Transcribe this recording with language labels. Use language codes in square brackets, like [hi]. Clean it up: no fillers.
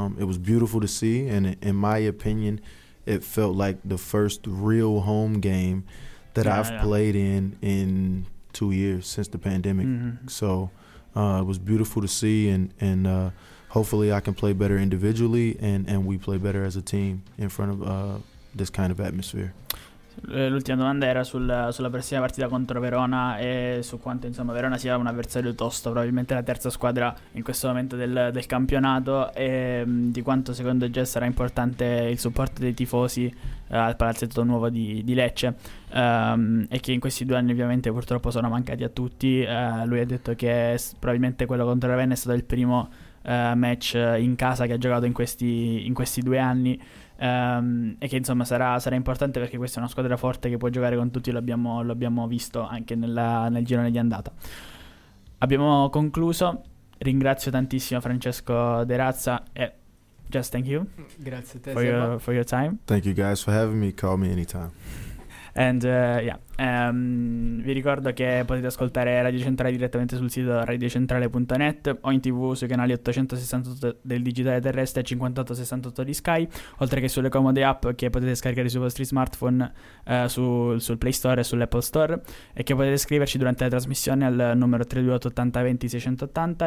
[en] It was beautiful to see, and in my opinion, it felt like the first real home game that I've played in 2 years since the pandemic. Mm-hmm. So It was beautiful to see, and hopefully I can play better individually and we play better as a team in front of this kind of atmosphere. [it] L'ultima domanda era sulla prossima partita contro Verona e su quanto, insomma, Verona sia un avversario tosto, probabilmente la terza squadra in questo momento del campionato, e di quanto secondo Jess sarà importante il supporto dei tifosi al palazzetto nuovo di Lecce, e che in questi due anni ovviamente purtroppo sono mancati a tutti. Lui ha detto che probabilmente quello contro Ravenna è stato il primo match in casa che ha giocato in questi due anni. E che insomma sarà importante perché questa è una squadra forte che può giocare con tutti, l'abbiamo visto anche nel girone di andata. Abbiamo concluso, ringrazio tantissimo Francesco De Razza e [en] just thank you. [it] Grazie a te [en] for your time. Thank you guys for having me, call me anytime. [it] Vi ricordo che potete ascoltare Radio Centrale direttamente sul sito radiocentrale.net o in TV sui canali 868 del digitale terrestre e 5868 di Sky, oltre che sulle comode app che potete scaricare sui vostri smartphone, sul Play Store e sull'Apple Store, e che potete scriverci durante la trasmissione al numero 328 80 20 680.